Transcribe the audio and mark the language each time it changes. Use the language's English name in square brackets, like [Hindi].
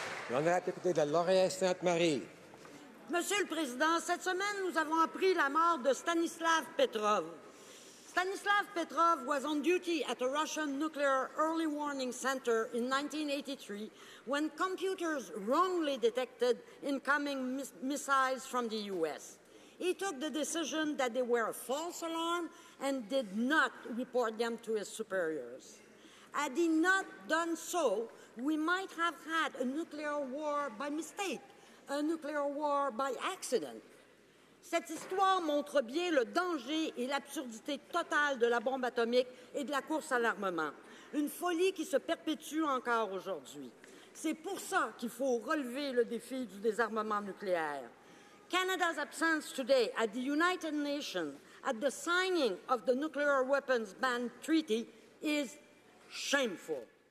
[French] L'honorabilité de la lauréate Sainte-Marie. Monsieur le Président, cette semaine, nous avons appris la mort de Stanislav Petrov. [English] Stanislav Petrov was on duty at a Russian nuclear early warning center in 1983 when computers wrongly detected incoming missiles from the U.S. He took the decision that they were a false alarm and did not report them to his superiors. Had he not done so, we might have had a nuclear war by mistake, a nuclear war by accident. [French] Cette histoire montre bien le danger et l'absurdité totale de la bombe atomique et de la course à l'armement. Une folie qui se perpétue encore aujourd'hui. C'est pour ça qu'il faut relever le défi du désarmement nucléaire. [English] Canada's absence today at the United Nations at the signing of the Nuclear Weapons Ban Treaty is shameful.